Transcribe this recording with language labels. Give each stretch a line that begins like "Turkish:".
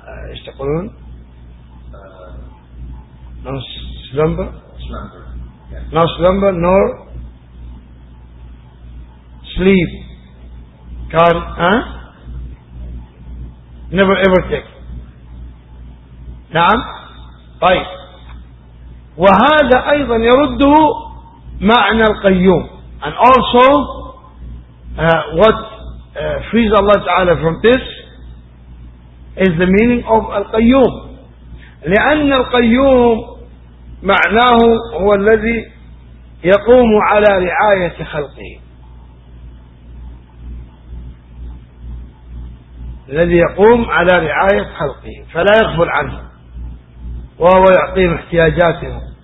Arabic: ايش تقولون؟
English: no slumber, slumber. Yeah. No slumber nor sleep can never ever take.
Arabic: نعم طيب وهذا أيضا يرده معنى القيوم.
English: And also, what frees Allah Ta'ala from this is the meaning of Al-Qayyum.
Arabic: لأن القيوم معناه هو الذي يقوم على رعاية خلقه. الذي يقوم على رعاية خلقه فلا يغفل عنهم وهو يعطيهم احتياجاتهم.